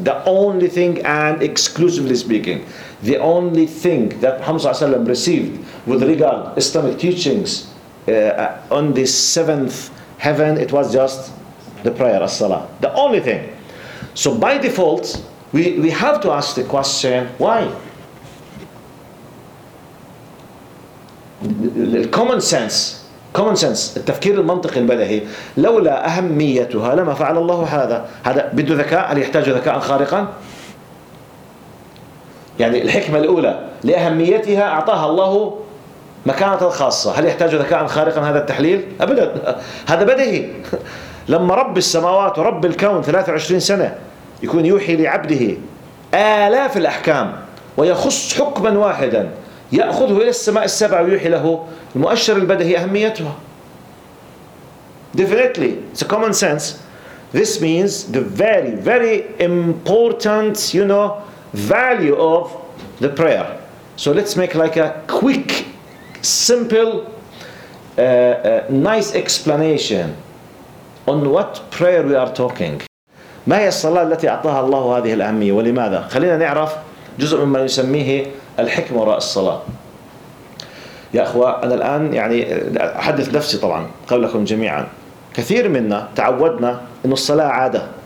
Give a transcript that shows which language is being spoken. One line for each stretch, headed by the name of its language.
English: The only thing, and exclusively speaking, the only thing that Muhammad sallallahu alayhi wa sallam received with regard to Islamic teachings on the seventh heaven, it was just the prayer, as-salah. The only thing. So by default, we have to ask the question, why? Common sense,
Arabic: التفكير المنطقي البديهي. لولا أهميتها لما فعل الله هذا. هذا بده ذكاء؟ هل يحتاج ذكاء خارقا؟ يعني الحكمة الأولى لأهميتها أعطاها الله مكانة خاصة، هل يحتاج ذكاء خارقا هذا التحليل؟ أبدا، هذا بديهي. لما رب السماوات ورب الكون 23 سنة يكون يوحي لعبده آلاف الأحكام ويخص حكما واحدا يأخذه إلى السماء السبع ويوحي له، المؤشر البديهي أهميتها.
English: Definitely, it's a common sense. This means the very, very important, you know, value of the prayer. So let's make like a quick, simple, nice explanation on what prayer we are talking.
Arabic: ما هي الصلاة التي أعطاها الله هذه الأهمية ولماذا؟ خلينا نعرف جزء مما يسميه الحكم وراء الصلاة. يا أخوة، أنا الآن يعني أحدث نفسي طبعا قبلكم جميعا، كثير منا تعودنا أن الصلاة عادة.